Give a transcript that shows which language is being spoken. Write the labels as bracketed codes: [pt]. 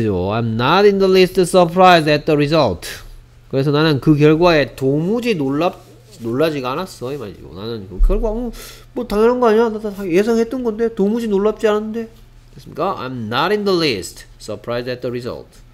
[en] I'm not in the least surprised at the result. [ko] 그래서 나는 그 결과에 도무지 놀라지가 않았어. 이 말이죠. 나는 그 결과 뭐 당연한 거 아니야. 나 예상했던 건데 도무지 놀랍지 않은데. 됐습니까? [en] I'm not in the least surprised at the result.